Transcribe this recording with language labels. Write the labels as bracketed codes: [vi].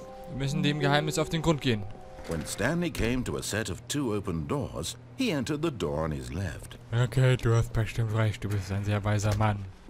[de] Wir müssen dem Geheimnis auf den Grund gehen. [en] When Stanley came to a set of two open doors, he entered the door on his left. [de] Okay, du hast bestimmt recht. Du bist ein sehr weiser Mann.